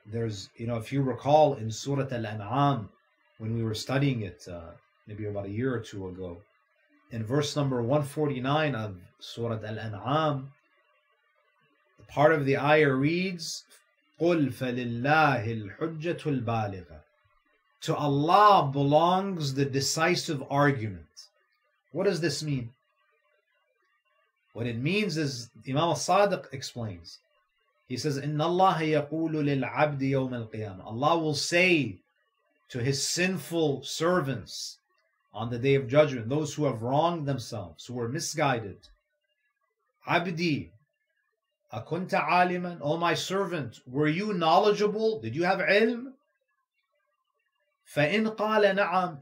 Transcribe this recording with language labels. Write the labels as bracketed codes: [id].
[en] There's, if you recall in Surah Al-An'am, when we were studying it maybe about a year or two ago, in verse number 149 of Surah Al-An'am, the part of the ayah reads, [ar] قُلْ فَلِلَّهِ الْحُجَّةُ الْبَالِغَةُ. [en] To Allah belongs the decisive argument. What does this mean? What it means is, Imam al-Sadiq explains. He says, [ar] إِنَّ اللَّهَ يَقُولُ لِلْعَبْدِ يَوْمَ الْقِيَامَةِ. [en] Allah will say to His sinful servants on the Day of Judgment, those who have wronged themselves, who are misguided, [ar] عَبْدِي أَكُنْتَ عَالِمًا. [en] O my servant, were you knowledgeable? Did you have ilm? [ar] فَإِنْ قَالَ نَعَمْ.